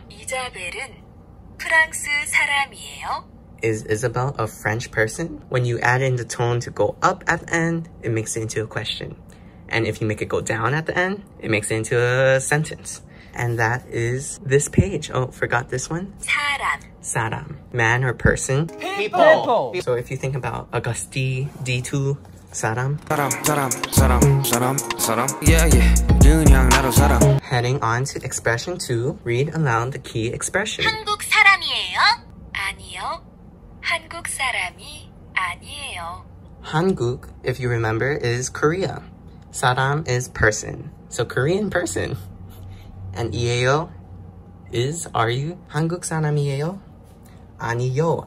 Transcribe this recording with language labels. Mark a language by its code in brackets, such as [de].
[ko] 이자벨은 프랑스 사람이에요? [en] Is Isabel a French person? When you add in the tone to go up at the end, it makes it into a question. And if you make it go down at the end, it makes it into a sentence. And that is this page. Oh, forgot this one. [ko] 사람. [en] 사람. Man or person. People. So if you think about Auguste D2, 사람. [ko] 사람, 사람, 사람, 사람, 사람. [en] Yeah, yeah. [ko] 그냥 나도 사람. [en] Heading on to expression 2, read aloud the key expression. [ko] 한국 사람이에요? 아니요. 한국 사람이 아니에요. [en] 한국, if you remember, is Korea. 사람 is person. So Korean person. And 이에요 is, are you [ko] 한국 사람이에요? 아니요.